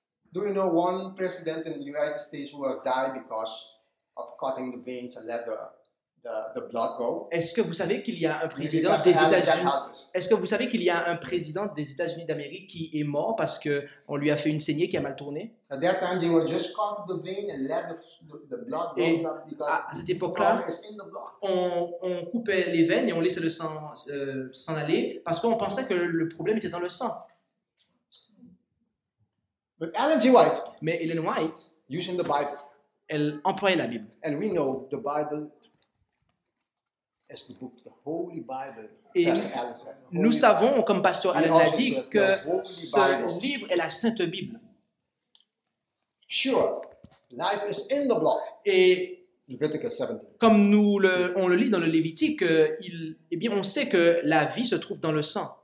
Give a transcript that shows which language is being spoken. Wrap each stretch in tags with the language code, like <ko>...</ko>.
<en>Do you know one president in the United States who died because of cutting the veins and let the blood go?</en> <fr>Est-ce que vous savez qu'il y a un président des États-Unis? Est-ce que vous savez qu'il y a un président des États-Unis d'Amérique qui est mort parce que on lui a fait une saignée qui a mal tourné?</fr> <en>At that time, they were just cut the vein and let the blood go.</en> <fr>Et à cette époque-là, on coupait les veines et on laissait le sang s'en aller parce qu'on pensait que le problème était dans le sang.</fr> <en>But Ellen G. White,</en> <fr>mais Ellen White,</fr> <en>using the Bible,</en> <fr>elle employait la Bible.</fr> <en>And we know the Bible is the book, the Holy Bible.</en> <fr>Et nous savons, comme Pasteur Ellen l'a dit, que ce livre est la Sainte Bible.</fr> <en>Sure, life is in the blood.</en> <fr>Et</fr> <en>Leviticus 17.</en> <fr>Comme on le lit dans le Lévitique, on sait que la vie se trouve dans le sang.</fr>